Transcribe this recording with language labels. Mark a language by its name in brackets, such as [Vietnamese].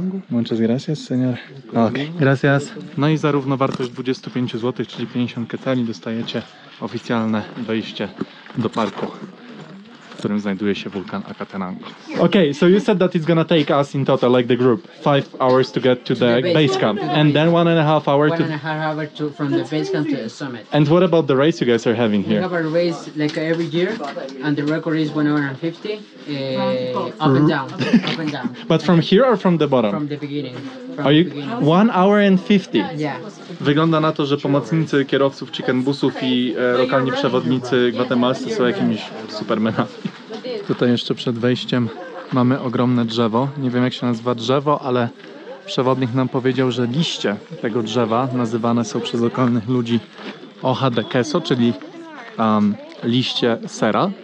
[Spanish] Muchas gracias, señor. [Polish] Okay. [Spanish] Gracias. [Polish] No i zarówno wartość 25 zł, czyli 50 quetzali, dostajecie oficjalne wejście do parku, w którym znajduje się wulkan Aquetanango. [English] Okay, so you said that it's gonna take us in total, like the group, 5 hours to get to the base camp, and then 1.5 hours. 1.5 hour to from the base camp to the summit. And what about the race you guys are having here? We have a race like every year, and the record is 1 hour and 50, up and down, up and down. But from here or from the bottom? From the beginning. Are you 1 hour and 50? Yeah. [Polish] Wygląda na to, że pomocnicy kierowców chickenbusów i lokalni przewodnicy gwatemalscy są jakimiś supermenami. Tutaj jeszcze przed wejściem mamy ogromne drzewo. Nie wiem, jak się nazywa drzewo, ale przewodnik nam powiedział, że liście tego drzewa nazywane są przez lokalnych ludzi hoja de queso, czyli liście sera.